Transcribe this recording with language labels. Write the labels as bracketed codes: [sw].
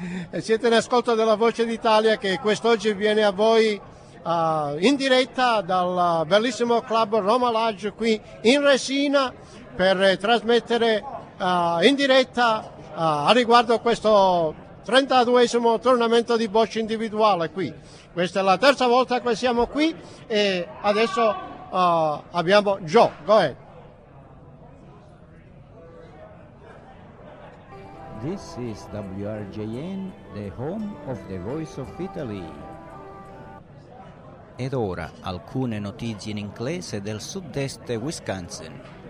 [it] E siete in ascolto della Voce d'Italia che quest'oggi viene a voi in diretta dal bellissimo club Roma Lodge qui in Resina per trasmettere in diretta a riguardo questo 32esimo tornamento di boccia individuale qui. Questa è la terza volta che siamo qui e adesso abbiamo Joe, [en] go ahead. This is WRJN, the home of the Voice of Italy. [it] Ed ora alcune notizie in inglese del sud-est Wisconsin.